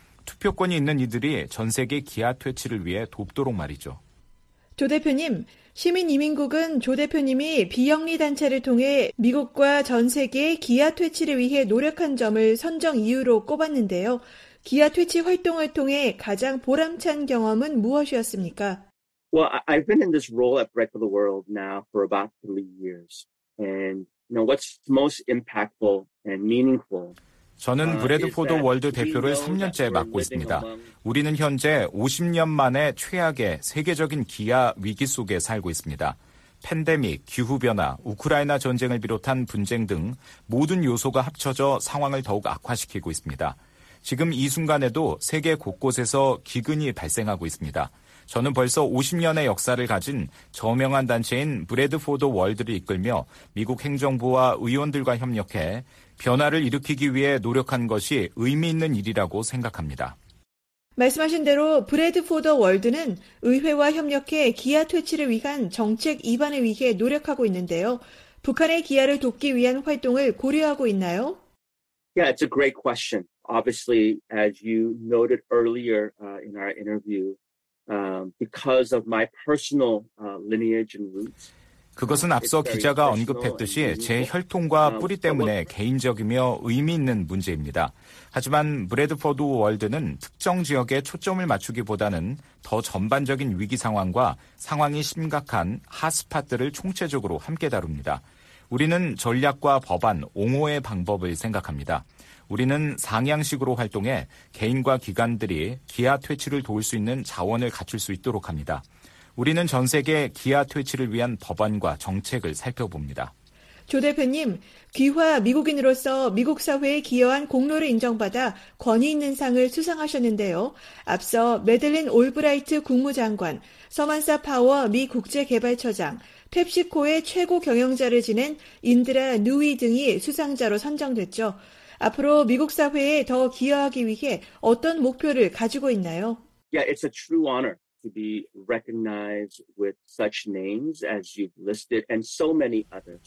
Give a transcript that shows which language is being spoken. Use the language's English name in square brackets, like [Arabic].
[Korean] 투표권이 있는 이들이 전 세계 기아 퇴치를 위해 돕도록 말이죠. 조 대표님, 시민 이민국은 조 대표님이 비영리 단체를 통해 미국과 전 세계의 기아 퇴치를 위해 노력한 점을 선정 이유로 꼽았는데요. 기아 퇴치 활동을 통해 가장 보람찬 경험은 무엇이었습니까? [English] Well, I've been in this role at Bread for the World now for about 3 years. And you know what's most impactful and meaningful? [Korean] 저는 브래드 포드 월드 대표를 3년째 맡고 있습니다. 우리는 현재 50년 만에 최악의 세계적인 기아 위기 속에 살고 있습니다. 팬데믹, 기후변화, 우크라이나 전쟁을 비롯한 분쟁 등 모든 요소가 합쳐져 상황을 더욱 악화시키고 있습니다. 지금 이 순간에도 세계 곳곳에서 기근이 발생하고 있습니다. 저는 벌써 50년의 역사를 가진 저명한 단체인 브래드 포드 월드를 이끌며 미국 행정부와 의원들과 협력해 변화를 일으키기 위해 노력한 것이 의미 있는 일이라고 생각합니다. 말씀하신 대로 브래드 포드 월드는 의회와 협력해 기아 퇴치를 위한 정책 입안을 위해 노력하고 있는데요. 북한의 기아를 돕기 위한 활동을 고려하고 있나요? [English] Yeah, it's a great question. Obviously, as you noted earlier in our interview, because of my personal lineage and roots. [Korean] 그것은 앞서 기자가 언급했듯이 제 혈통과 뿌리 때문에 개인적이며 의미 있는 문제입니다. 하지만 브래드 포드 월드는 특정 지역에 초점을 맞추기보다는 더 전반적인 위기 상황과 상황이 심각한 핫스팟들을 총체적으로 함께 다룹니다. 우리는 전략과 법안, 옹호의 방법을 생각합니다. 우리는 상향식으로 활동해 개인과 기관들이 기아 퇴치를 도울 수 있는 자원을 갖출 수 있도록 합니다. 우리는 전 세계 기아 퇴치를 위한 법안과 정책을 살펴봅니다. 조 대표님, 귀화 미국인으로서 미국 사회에 기여한 공로를 인정받아 권위 있는 상을 수상하셨는데요. 앞서 매들린 올브라이트 국무장관, 서만사 파워 미 국제개발처장, 펩시코의 최고 경영자를 지낸 인드라 누이 등이 수상자로 선정됐죠. 앞으로 미국 사회에 더 기여하기 위해 어떤 목표를 가지고 있나요? [English] Yeah, it's a true honor to be recognized with such names as you've listed and so many others.